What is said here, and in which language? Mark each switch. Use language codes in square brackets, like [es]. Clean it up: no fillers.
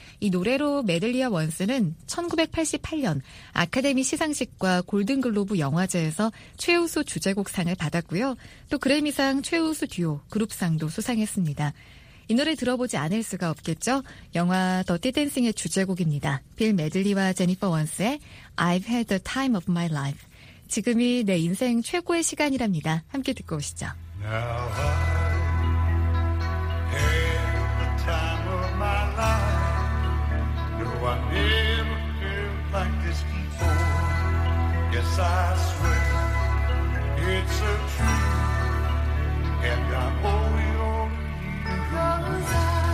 [ko] 이 노래로 메들리와 원스는 1988년 아카데미 시상식과 골든글로브 영화제에서 최우수 주제곡상을 받았고요. 또 그래미상 최우수 듀오 그룹상도 수상했습니다. 이 노래 들어보지 않을 수가 없겠죠? 영화 더티 댄싱의 주제곡입니다. 빌 메들리와 제니퍼 원스의 I've had the time of my life. 지금이 내 인생 최고의 시간이랍니다. 함께 듣고 오시죠. [en] Now I have the time of my life. No, I never felt like this before. Yes, I swear it's a truth. And I owe it all to you. Because I